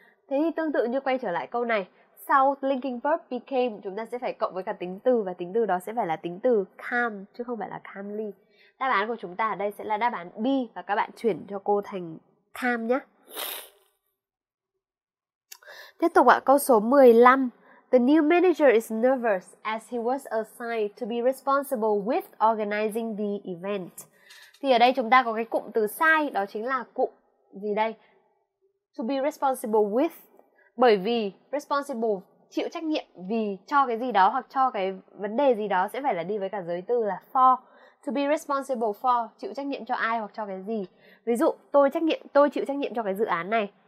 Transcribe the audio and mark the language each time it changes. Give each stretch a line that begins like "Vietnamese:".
Vietnamese: Thế thì tương tự như quay trở lại câu này, sau linking verb became chúng ta sẽ phải cộng với cả tính từ, và tính từ đó sẽ phải là tính từ calm chứ không phải là calmly. Đáp án của chúng ta ở đây sẽ là đáp án B, và các bạn chuyển cho cô thành calm nhé. Tiếp tục ạ, câu số 15.
English: The new manager is nervous as he was assigned to be responsible with organizing the event.
Vietnamese: Thì ở đây chúng ta có cái cụm từ sai, đó chính là cụm gì đây?
English: To be responsible with.
Vietnamese: Bởi vì responsible, chịu trách nhiệm vì cho cái gì đó hoặc cho cái vấn đề gì đó, sẽ phải là đi với cả giới từ là for.
English: To be responsible for,
Vietnamese: chịu trách nhiệm cho ai hoặc cho cái gì. Ví dụ, tôi chịu trách nhiệm cho cái dự án này.